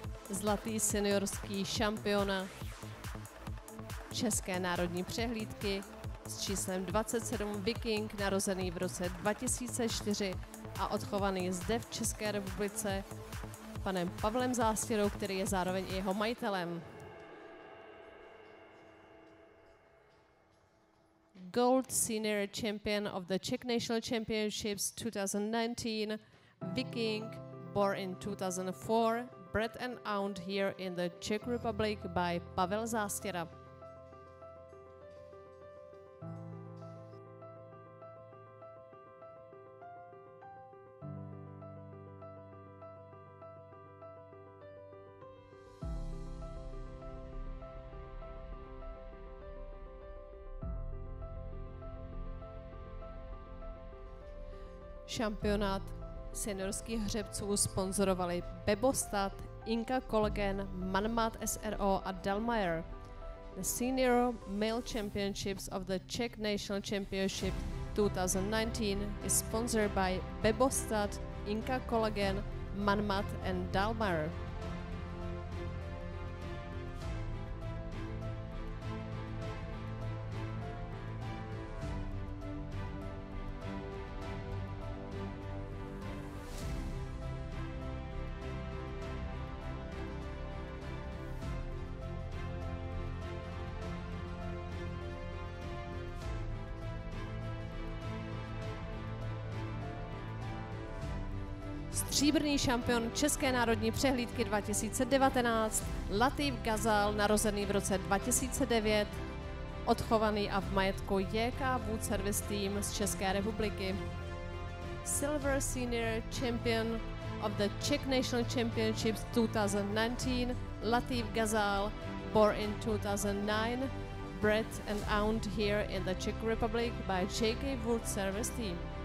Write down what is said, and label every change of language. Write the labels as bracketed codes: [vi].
[cs] Zlatý seniorský šampiona České národní přehlídky s číslem 27 Viking, narozený v roce 2004 a odchovaný zde v České republice panem Pavlem Zástěrou, který je zároveň i jeho majitelem. [en] Gold Senior Champion of the Czech National Championships 2019, Viking, born in 2004, bred and owned here in the Czech Republic by Pavel Zástěra. [cs] Šampionát seniorských hřebců sponzorovali Bebostat, Inka Collagen, Manmat SRO a Dallmayr. [en] The Senior Male Championships of the Czech National Championship 2019 is sponsored by Bebostat, Inka Collagen, Manmat and Dallmayr. [cs] Stříbrný šampion České národní přehlídky 2019, Latif Ghazal, narozený v roce 2009, odchovaný a v majetku JK Wood Service Team z České republiky. [en] Silver Senior Champion of the Czech National Championships 2019, Latif Ghazal, born in 2009, bred and owned here in the Czech Republic by JK Wood Service Team.